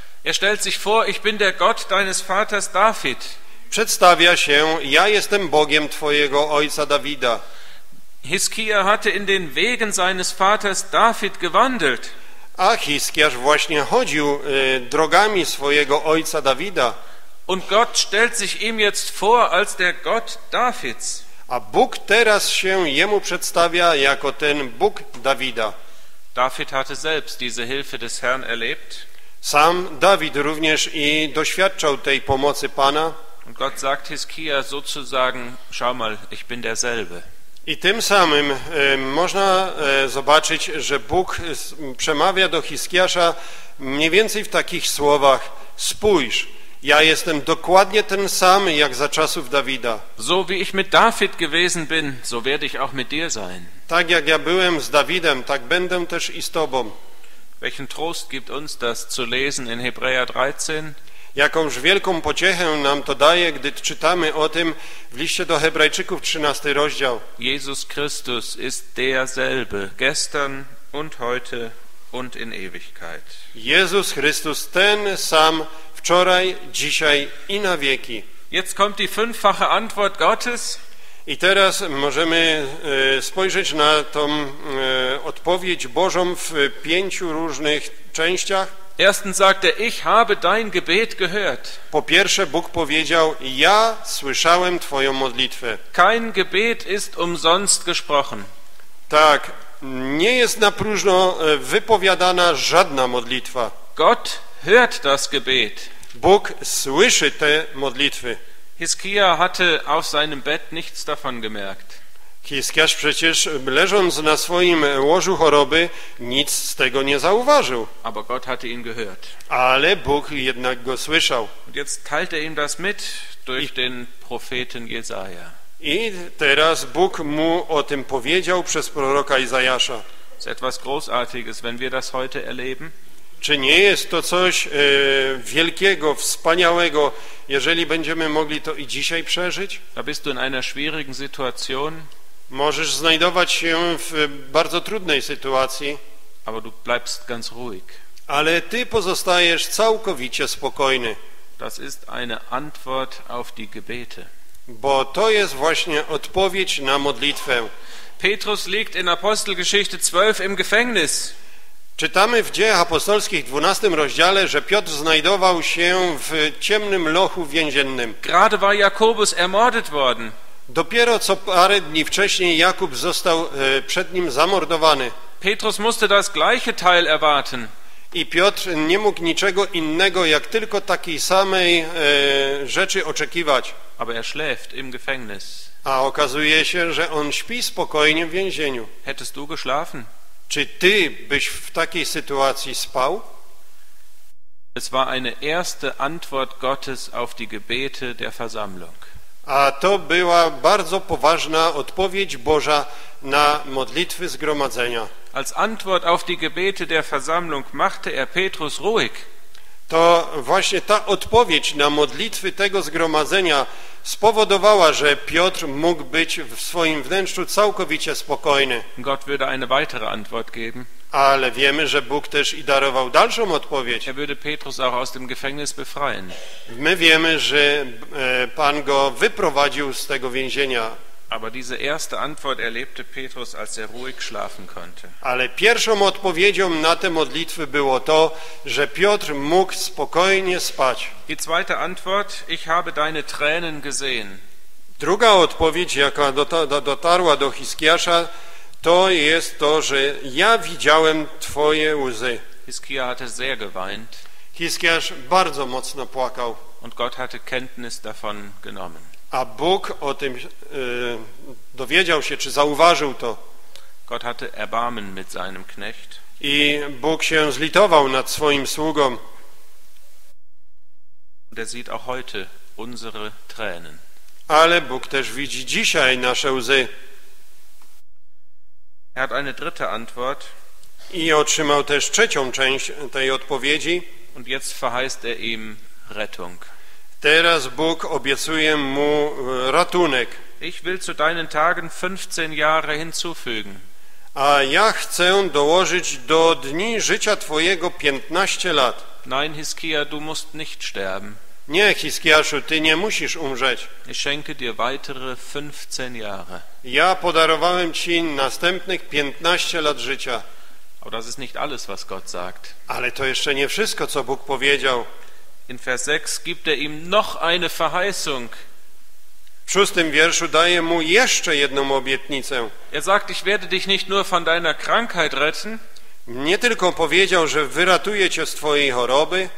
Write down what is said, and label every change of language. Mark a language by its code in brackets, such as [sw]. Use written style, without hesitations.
[de] Er stellt sich vor, ich bin der Gott deines Vaters David. [pl] Przedstawia się, ja jestem Bogiem twojego ojca Dawida. [de] Hiskia hatte in den Wegen seines Vaters David gewandelt. [pl] A Hiskiasz właśnie chodził drogami swojego ojca Dawida. [de] Und Gott stellt sich ihm jetzt vor als der Gott Davids. [pl] A Bóg teraz się jemu przedstawia jako ten Bóg Dawida. [de] David hatte selbst diese Hilfe des Herrn erlebt. [pl] Sam Dawid również i doświadczał tej pomocy Pana. [de] Und Gott sagt Hiskia sozusagen, schau mal, ich bin derselbe. [pl] I tym samym można zobaczyć, że Bóg przemawia do Hiskiasza mniej więcej w takich słowach: spójrz, ja jestem dokładnie ten sam jak za czasów Dawida. [de] So wie ich mit David gewesen bin, so werde ich auch mit dir sein. [pl] Tak jak ja byłem z Dawidem, tak będę też i z tobą. [de] Welchen Trost gibt uns das zu lesen in Hebräer 13? [pl] Jakąż wielką pociechę nam to daje, gdy czytamy o tym w liście do Hebrajczyków, 13 rozdział. [de] Jesus Christus ist derselbe gestern und heute und in Ewigkeit. [pl] Jezus Chrystus ten sam w wczoraj, dzisiaj i na wieki. [de] Jetzt kommt die fünffache Antwort Gottes. [pl] I teraz możemy spojrzeć na tą odpowiedź Bożą w pięciu różnych częściach. [de] Erstens sagte, ich habe dein Gebet gehört. [pl] Po pierwsze, Bóg powiedział, ja słyszałem twoją modlitwę. [de] Kein Gebet ist umsonst gesprochen. [pl] Tak, nie jest na próżno wypowiadana żadna modlitwa. [de] Gott hört das Gebet. [pl] Bóg słyszy te modlitwy. [de] Hiskia hatte auf seinem Bett nichts davon gemerkt. [pl] Hiskiasz przecież, leżąc na swoim łożu choroby, nic z tego nie zauważył. [de] Aber Gott hatte ihn gehört. [pl] Ale Bóg jednak go słyszał. [de] Und jetzt teilt ihm das mit durch den Propheten Jesaja. [pl] I teraz Bóg mu o tym powiedział przez proroka Izajasza. [de] Ist etwas Großartiges, wenn wir das heute erleben. [pl] Czy nie jest to coś wielkiego, wspaniałego, jeżeli będziemy mogli to i dzisiaj przeżyć? [de] Da bist du in einer schwierigen Situation. [pl] Możesz znajdować się w bardzo trudnej sytuacji, [de] aber du bleibst ganz ruhig. [pl] Ale ty pozostajesz całkowicie spokojny. [de] Das ist eine Antwort auf die Gebete. [pl] Bo to jest właśnie odpowiedź na modlitwę. [de] Petrus liegt in Apostelgeschichte 12 im Gefängnis. [pl] Czytamy w Dziejach Apostolskich 12 rozdziale, że Piotr znajdował się w ciemnym lochu więziennym. [de] Gerade war Jakobus ermordet worden. [pl] Dopiero co parę dni wcześniej Jakub został przed nim zamordowany. [de] Petrus musste das gleiche Teil erwarten. [pl] I Piotr nie mógł niczego innego, jak tylko takiej samej rzeczy oczekiwać. [de] Aber er schläft im Gefängnis. [pl] A okazuje się, że on śpi spokojnie w więzieniu. [de] Hättest du geschlafen? [pl] Czy ty byś w takiej sytuacji spał? [de] Es war eine erste Antwort Gottes auf die Gebete der Versammlung. [pl] A to była bardzo poważna odpowiedź Boża na modlitwy zgromadzenia. [de] Als Antwort auf die Gebete der Versammlung machte er Petrus ruhig. [pl] To właśnie ta odpowiedź na modlitwy tego zgromadzenia spowodowała, że Piotr mógł być w swoim wnętrzu całkowicie spokojny. [de] Gott würde eine weitere Antwort geben. [pl] Ale wiemy, że Bóg też i darował dalszą odpowiedź. [de] Er würde Petrus auch aus dem Gefängnis befreien. [pl] My wiemy, że Pan go wyprowadził z tego więzienia. [de] Aber diese erste Antwort erlebte Petrus, als er ruhig schlafen konnte. [pl] Ale pierwszą odpowiedzią na te modlitwy było to, że Piotr mógł spokojnie spać. [de] Die zweite Antwort, ich habe deine Tränen gesehen. [pl] Druga odpowiedź, jaka dotarła do Hiskiasza, to jest to, że ja widziałem twoje łzy. [de] Hiskia hatte sehr geweint. [pl] Hiskiasz bardzo mocno płakał. [de] Und Gott hatte Kenntnis davon genommen. [pl] A Bóg o tym dowiedział się, czy zauważył to. [de] Gott hatte Erbarmen mit seinem Knecht. [pl] I Bóg się zlitował nad swoim sługą. [de] Der sieht auch heute unsere Tränen. [pl] Ale Bóg też widzi dzisiaj nasze łzy. [de] Er hat eine dritte Antwort. [pl] I otrzymał też trzecią część tej odpowiedzi. [de] Und jetzt verheißt er ihm Rettung. [pl] Teraz Bóg obiecuje mu ratunek. [de] Ich will zu deinen Tagen 15 Jahre hinzufügen. [pl] A ja chcę dołożyć do dni życia twojego 15 lat. [de] Nein, Hiskia, du musst nicht sterben. [pl] Nie, Hiskiaszu, ty nie musisz umrzeć. [de] Ich schenke dir weitere 15 Jahre. [pl] Ja podarowałem ci następnych 15 lat życia. [de] Aber das ist nicht alles, was Gott sagt. [pl] Ale to jeszcze nie wszystko, co Bóg powiedział. [de] In Vers 6 gibt er ihm noch eine Verheißung. [pl] W szóstym wierszu daje mu jeszcze jedną obietnicę. [de] Er sagt, ich werde dich nicht nur von deiner Krankheit retten. [pl] Nie tylko powiedział, że wyratuje cię z twojej choroby.